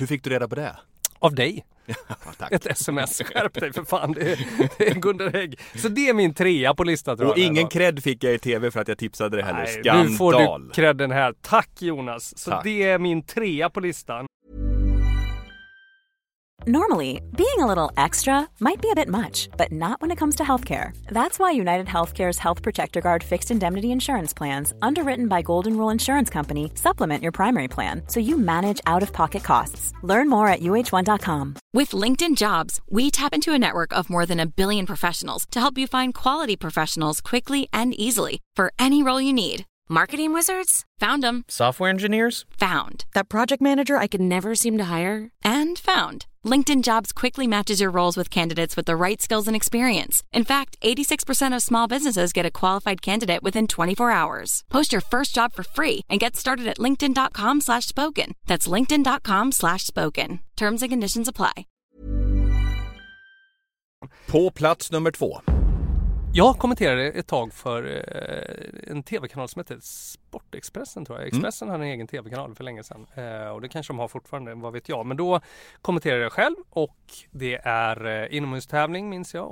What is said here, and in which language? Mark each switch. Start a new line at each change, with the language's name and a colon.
Swedish: Hur fick du reda på det? Av dig. Ja, tack. Ett sms, skärp dig för fan, det är Gunder Hägg. Så det är min trea på listan. Och ingen cred fick jag i tv för att jag tipsade det heller. Nej, skandal. Nu får du credden här. Tack Jonas. Så tack. Det är min trea på listan.
English: Normally, being a little extra might be a bit much, but not when it comes to healthcare. That's why United Healthcare's Health Protector Guard fixed indemnity insurance plans, underwritten by Golden Rule Insurance Company, supplement your primary plan so you manage out-of-pocket costs. Learn more at uh1.com. With LinkedIn Jobs, we tap into a network of more than a billion professionals to help you find quality professionals quickly and easily for any role you need. Marketing wizards? Found them. Software engineers? Found. That project manager I could never seem to hire? And found. LinkedIn Jobs quickly matches your roles with candidates with the right skills and experience. In fact, 86% of small businesses get a qualified candidate within 24 hours. Post your first job for free and get started at linkedin.com/spoken. That's linkedin.com/spoken. Terms and conditions apply.
Swedish: På plats nummer två. Jag kommenterade ett tag för en tv-kanal som heter Sportexpressen tror jag. Expressen hade en egen tv-kanal för länge sedan. Och det kanske de har fortfarande, vad vet jag. Men då kommenterade jag själv och det är inomhustävling minns jag.